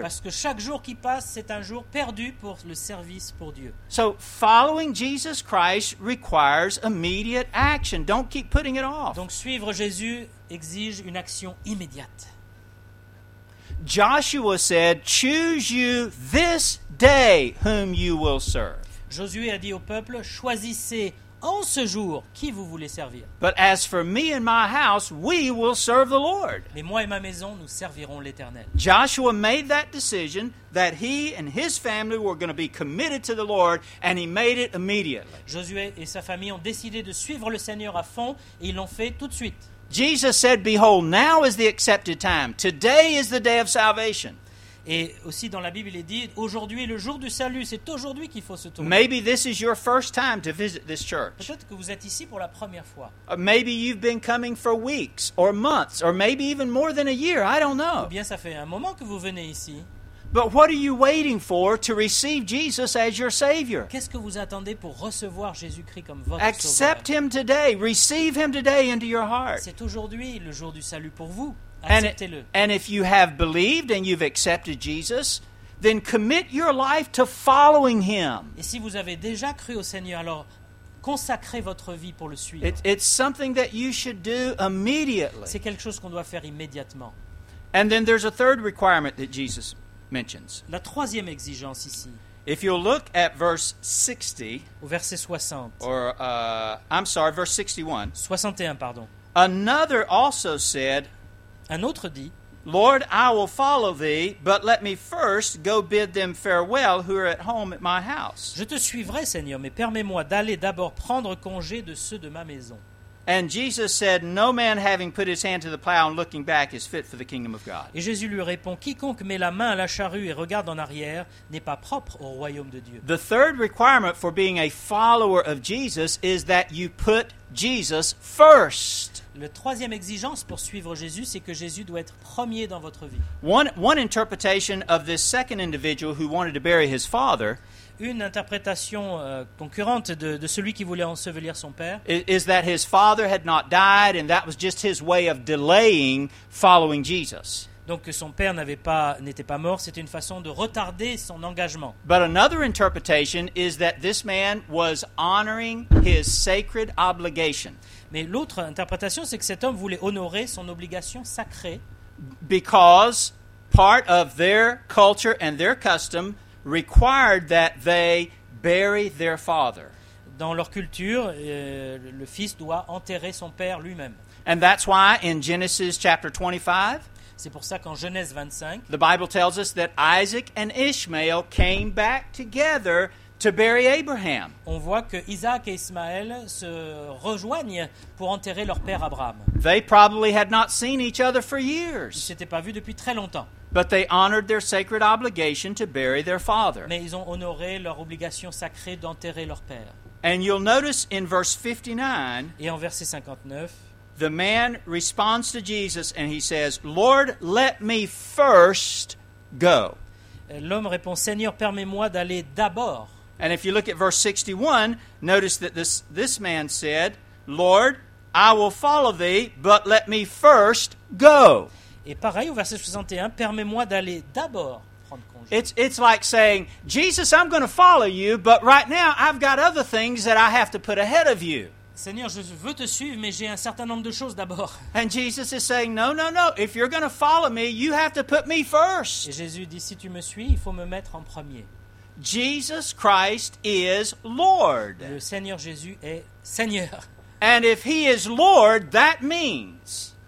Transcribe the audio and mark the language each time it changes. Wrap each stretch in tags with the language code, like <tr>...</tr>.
<fr>Parce que chaque jour qui passe, c'est un jour perdu pour le service pour Dieu.</fr> <en>So following Jesus Christ requires immediate action. Don't keep putting it off.</en> <fr>Donc suivre Jésus exige une action immédiate.</fr> <en>Joshua said, "Choose you this day whom you will serve."</en> <fr>Josué a dit au peuple, choisissez en ce jour, qui vous voulez servir?</fr> <en>But as for me and my house, we will serve the Lord.</en> <fr>Mais moi et ma maison, nous servirons l'Éternel.</fr> <en>Joshua made that decision that he and his family were going to be committed to the Lord, and he made it immediately.</en> <fr>Josué et sa famille ont décidé de suivre le Seigneur à fond, et ils l'ont fait tout de suite.</fr> <en>Jesus said, "Behold, now is the accepted time. Today is the day of salvation."</en> <fr>Et aussi dans la Bible, il est dit, aujourd'hui est le jour du salut, c'est aujourd'hui qu'il faut se tourner.</fr> <en>Maybe this is your first time to visit this church.</en> <fr>Peut-être que vous êtes ici pour la première fois.</fr> <en>Maybe you've been coming for weeks, or months, or maybe even more than a year, I don't know.</en> <fr>Ou bien ça fait un moment que vous venez ici.</fr> <en>But what are you waiting for to receive Jesus as your Savior?</en> <fr>Qu'est-ce que vous attendez pour recevoir Jésus-Christ comme votre</fr> <en>Accept</en> <fr>Sauveur?</fr> <en>Accept Him today, receive Him today into your heart.</en> <fr>C'est aujourd'hui le jour du salut pour vous.</fr> <en>And if you have believed and you've accepted Jesus, then commit your life to following Him.</en> <fr>Et si vous avez déjà cru au Seigneur, alors consacrez votre vie pour le suivre.</fr> <en>It's something that you should do immediately.</en> <fr>C'est quelque chose qu'on doit faire immédiatement.</fr> <en>And then there's a third requirement that Jesus mentions.</en> <fr>La troisième exigence ici.</fr> <en>If you'll look at verse 60.</en> <fr>Au verset 60.</fr> <en>Or, I'm sorry, verse 61.</en> <fr>61, pardon.</fr> <en>Another also said,</en> <fr>un autre dit,</fr> <en>Lord, I will follow thee, but let me first go bid them farewell who are at home at my house.</en> <fr>Je te suivrai, Seigneur, mais permets-moi d'aller d'abord prendre congé de ceux de ma maison.</fr> <en>And Jesus said, no man having put his hand to the plow and looking back is fit for the kingdom of God.</en> <fr>Et Jésus lui répond, quiconque met la main à la charrue et regarde en arrière n'est pas propre au royaume de Dieu.</fr> <en>The third requirement for being a follower of Jesus is that you put Jesus first.</en> <fr>Le troisième exigence pour suivre Jésus, c'est que Jésus doit être premier dans votre vie.</fr> <en>One interpretation of this second individual who wanted to bury his father,</en> <fr>une interprétation concurrente de celui qui voulait ensevelir son père,</fr> <en>is that his father had not died and that was just his way of delaying following Jesus.</en> <fr>Donc que son père n'était pas mort, c'était une façon de retarder son engagement.</fr> <en>But another interpretation is that this man was honoring his sacred obligation.</en> <fr>Mais l'autre interprétation, c'est que cet homme voulait honorer son obligation sacrée.</fr> <en>Because part of their culture and their custom required that they bury their father.</en> <fr>Dans leur culture, le fils doit enterrer son père lui-même.</fr> <en>And that's why in Genesis chapter 25,</en> <fr>c'est pour ça qu'en Genèse 25,</fr> <en>the Bible tells us that Isaac and Ishmael came back together to bury Abraham.</en> <fr>On voit que Isaac et Ismaël se rejoignent pour enterrer leur père Abraham.</fr> <en>They probably had not seen each other for years.</en> <fr>Ils s'étaient pas vus depuis très longtemps.</fr> <en>But they honored their sacred obligation to bury their father.</en> <fr>Mais ils ont honoré leur obligation sacrée d'enterrer leur père.</fr> <en>And you'll notice in verse 59,</en> <fr>et en verset 59,</fr> <en>the man responds to Jesus and he says, "Lord, let me first go."</en> <fr>L'homme répond, Seigneur, permets-moi d'aller d'abord.</fr> <en>And if you look at verse 61, notice that this man said, "Lord, I will follow thee, but let me first go."</en> <fr>Et pareil au verset 61, permets-moi d'aller d'abord prendre congé.</fr> <en>It's like saying, "Jesus, I'm going to follow you, but right now I've got other things that I have to put ahead of you."</en> <fr>Seigneur, je veux te suivre, mais j'ai un certain nombre de choses d'abord.</fr> <en>And Jesus is saying, no, no, no. If you're going to follow me, you have to put me first.</en> <fr>Et Jésus dit, si tu me suis, il faut me mettre en premier.</fr> <en>Jesus Christ is Lord.</en> <fr>Le Seigneur Jésus est Seigneur.</fr> <en>And if he is Lord, that means.</en>